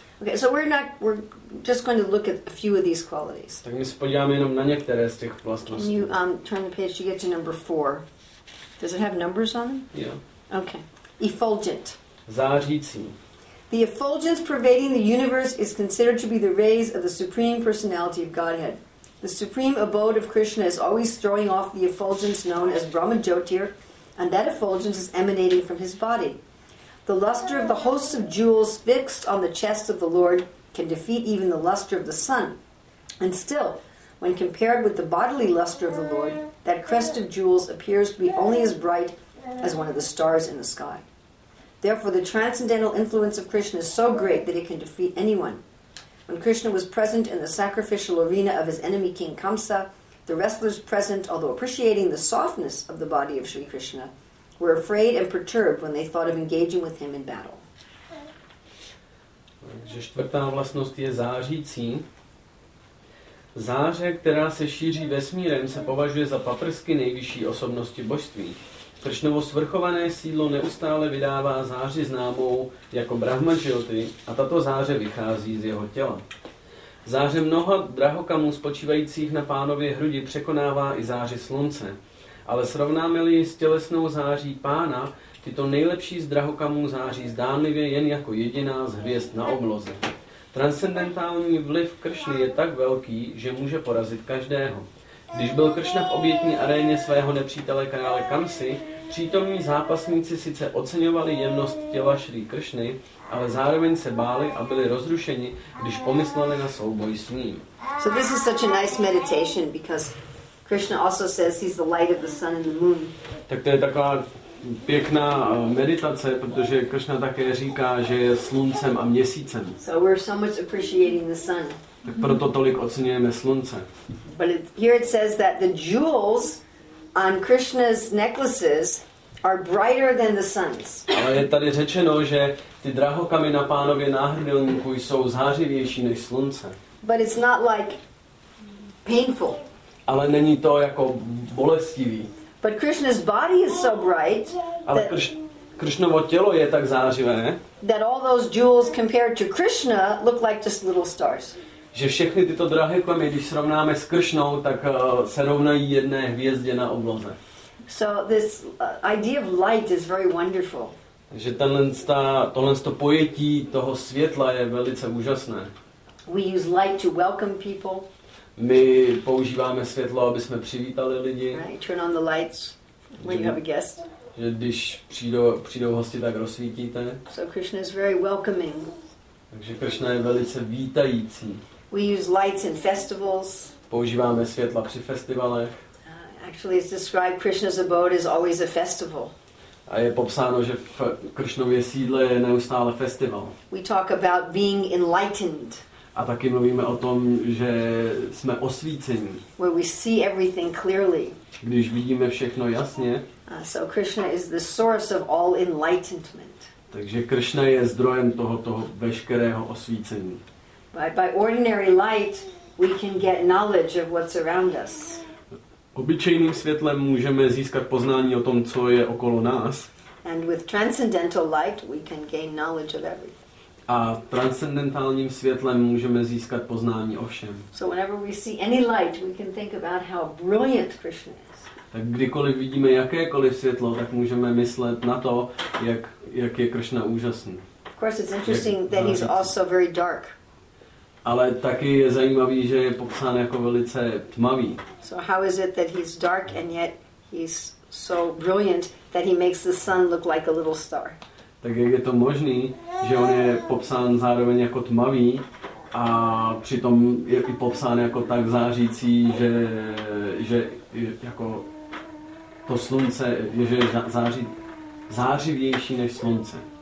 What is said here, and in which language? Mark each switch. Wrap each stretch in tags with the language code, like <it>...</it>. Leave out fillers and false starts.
<en>Okay, so we're just going to look at a few of these qualities.</en> <cs>Tak my se podíváme jenom na některé z těch vlastností.</cs> <en>Can you turn the page to get to number 4? Does it have numbers on them? Yeah. Okay. Effulgent.</en> <cs>Zářící.</cs> <en>The effulgence pervading the universe is considered to be the rays of the Supreme Personality of Godhead. The supreme abode of Krishna is always throwing off the effulgence known as Brahma Jyotir, and that effulgence is emanating from his body. The luster of the hosts of jewels fixed on the chest of the Lord can defeat even the luster of the sun. And still, when compared with the bodily luster of the Lord, that crest of jewels appears to be only as bright as one of the stars in the sky. Therefore, the transcendental influence of Krishna is so great that it can defeat anyone. When Krishna was present in the sacrificial arena of his enemy, King Kamsa, the wrestlers present, although appreciating the softness of the body of Sri Krishna, were afraid and perturbed when they thought of engaging with him in battle.</en> <cs>Takže čtvrtá vlastnost je zářící. Záře, která se šíří vesmírem, se považuje za paprsky nejvyšší osobnosti božství. Kršnovo svrchované sídlo neustále vydává záři známou jako Brahma Jyoti a tato záře vychází z jeho těla. Záře mnoha drahokamů spočívajících na pánově hrudi překonává i záři slunce. Ale srovnáme-li s tělesnou září pána, tyto nejlepší z drahokamů září zdánlivě jen jako jediná z hvězd na obloze. Transcendentální vliv Kršny je tak velký, že může porazit každého. Když byl Kršna v obětní aréně svého nepřítele krále Kamsy, přítomní zápasníci sice oceňovali jemnost těla Šrí Kršny, ale zároveň se báli a byli rozrušeni, když pomysleli na souboj s ním.</cs> <en>So this is such a nice meditation because Krishna also says he's the light of the sun and the moon.</en> <cs>Tak to je taková pěkná meditace, protože Kršna také říká, že je sluncem a měsícem.</cs> <en>So we're so much appreciating the sun.</en> <cs>Tak proto tolik oceňujeme slunce.</cs> <en>But here it says that the jewels on Krishna's necklaces are brighter than the sun's.</en> <cs>Ale je tady řečeno, že ty drahokamy na pánově náhrdelníku jsou zářivější než slunce.</cs> <en>But it's not like painful.</en> <cs>Ale není to jako bolestivý.</cs> <en>But Krishna's body is so bright.</en> <cs>Ale Krishnovo tělo je tak zářivé.</cs> <en>That all those jewels compared to Krishna look like just little stars.</en> <cs>Že všechny tyto drahé kamy, když srovnáme s Kršnou, tak se rovnají jedné hvězdě na obloze.</cs> <en>So this idea of light is very wonderful.</en> <cs>Že tohle pojetí toho světla je velice úžasné.</cs> <en>We use light to welcome people.</en> <cs>My používáme světlo, aby jsme přivítali lidi.</cs> <en>Right, turn on the lights when you have a guest.</en> <cs>Že když přijdou hosti, tak rozsvítíte.</cs> <en>So Krishna is very welcoming.</en> <cs>Takže Kršna je velice vítající.</cs> <en>We use lights in festivals.</en> <cs>Používáme světla při festivalech.</cs> <en>Actually, it's described Krishna's abode is always a festival.</en> <cs>A je popsáno, že v Kršnově sídle je neustále festival.</cs> <en>We talk about being enlightened.</en> <cs>A taky mluvíme o tom, že jsme osvícení.</cs> <en>Where we see everything clearly.</en> <cs>Když vidíme všechno jasně.</cs> <en>So Krishna is the source of all enlightenment.</en> <cs>Takže Kršna je zdrojem tohoto veškerého osvícení.</cs> <en>By ordinary light we can get knowledge of what's around us.</en> <cs>Obyčejným světlem můžeme získat poznání o tom, co je okolo nás.</cs> <en>And with transcendental light we can gain knowledge of everything.</en> <cs>A transcendentálním světlem můžeme získat poznání o všem.</cs> <en>So whenever we see any light we can think about how brilliant Krishna is.</en> <cs>Tak kdykoliv vidíme jakékoliv světlo, tak můžeme myslet na to, jak je Krishna úžasný.</cs> <en>Of course it's interesting that he's also very dark.</en> <cs>Ale taky je zajímavý, že je popsán jako velice tmavý.</cs> <en>So how is it that he's dark and yet he's so brilliant that he makes the sun look like a little star?</en> <cs>Tak jak je to možný, že on je popsán zároveň jako tmavý a přitom je i popsán jako tak zářící, že jako to slunce je že zářivější než slunce.</cs>